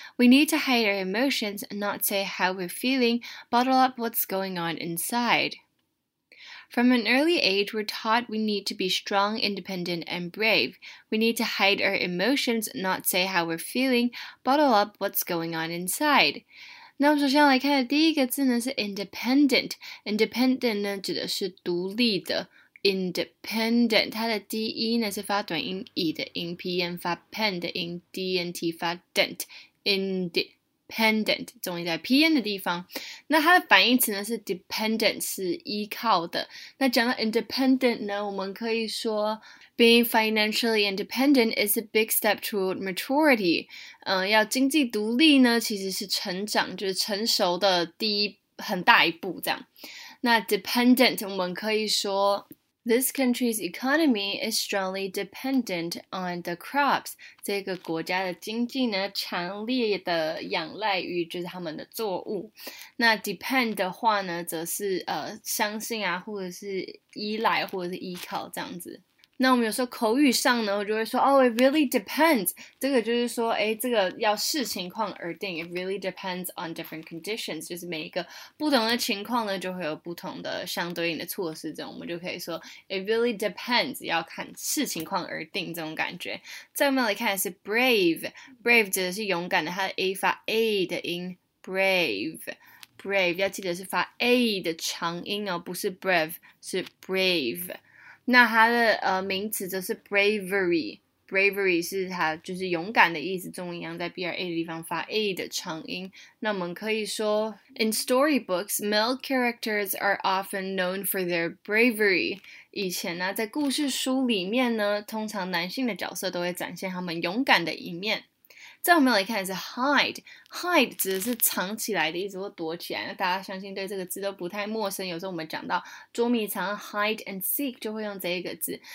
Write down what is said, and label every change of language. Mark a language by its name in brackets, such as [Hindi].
[English] We need to hide our emotions, not say how we're feeling, bottle up what's going on inside. From an early age, we're taught we need to be strong, independent, and brave. We need to hide our emotions, not say how we're feeling, bottle up what's going on inside. [Chinese] 那我们首先来看的第一个字呢是 independent。independent 呢指的是独立的。 independent 它的 de 呢是发短音 e 的音 p n 发 pen 的音 d n t 发 dent。 independent 终于在 PN 的地方，那它的反义词呢是 dependent， 是依靠的。那讲到 independent 呢，我们可以说 [English] being financially independent is a big step toward maturity。 [Chinese] 要经济独立呢，其实是成长，就是成熟的第一很大一步这样。那 dependent 我们可以说。 [English] This country's economy is strongly dependent on the crops. [Chinese] 这个国家的经济呢，强烈的仰赖于就是他们的作物。那 depend 的话呢，则是相信啊，或者是依赖，或者是依靠这样子。那我们有时候口语上呢，我就会说，哦， [English] it really depends. [Chinese] 这个就是说，哎，这个要视情况而定。 [English] It really depends on different conditions. [Chinese] 就是每一个不同的情况呢，就会有不同的相对应的措施。这样我们就可以说 ， [English] it really depends. [Chinese] 要看视情况而定这种感觉。再我们来看的是 brave. Brave 指的是勇敢的，它的 a 发 a 的音 ，brave。 brave 要记得是发 a 的长音哦，不是 brave， 是 brave。那它的名词则是 bravery 是它就是勇敢的意思，中文一样在 bra 的地方发 a 的长音。那我们可以说 [English] ，In storybooks, male characters are often known for their bravery。 [Chinese] 以前呢，在故事书里面呢，通常男性的角色都会展现他们勇敢的一面。再我们来看的是 hide 指的是藏起来的意思或躲起来，那大家相信对这个字都不太陌生，有时候我们讲到捉迷藏 [English] hide and seek [Chinese] 就会用这一个字。